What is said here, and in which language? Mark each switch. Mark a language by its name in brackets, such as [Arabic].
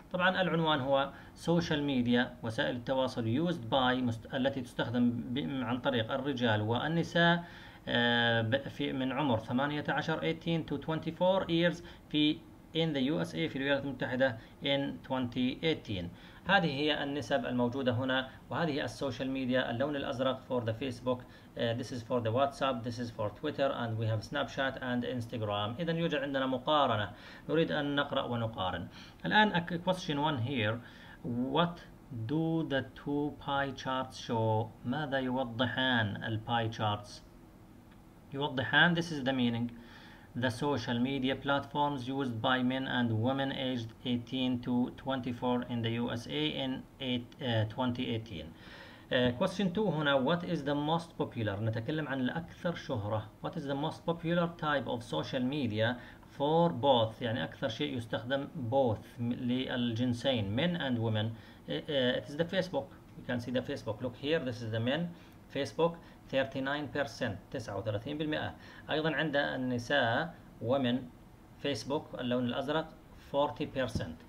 [Arabic] طبعا العنوان هو social media وسائل التواصل [English] used by [Arabic] التي تستخدم عن طريق الرجال والنساء في من عمر 18 [English] 18 to 24 years [Arabic] في [English] in the USA [Arabic] في الولايات المتحدة [English] in 2018. [Arabic] هذه هي النسب الموجودة هنا وهذه السوشيال ميديا. اللون الأزرق [English] for the Facebook, this is for the WhatsApp, this is for Twitter and we have Snapchat and Instagram. [Arabic] إذا يوجد عندنا مقارنة نريد أن نقرأ ونقارن. [English] الآن a question one here, what do the two pie charts show? [Arabic] ماذا يوضحان الباي charts؟ يوضحان [English] this is the meaning. The social media platforms used by men and women aged 18 to 24 in the USA in 2018. Question 2 هنا, what is the most popular? [Arabic] نتكلم عن الأكثر شهرة. [English] What is the most popular type of social media for both? [Arabic] يعني أكثر شيء يستخدم both للجنسين [English] men and women. It is the Facebook. You can see the Facebook. Look here, this is the men. Facebook 39%, 39%. [Arabic] أيضا عند النساء women Facebook اللون الأزرق 40%.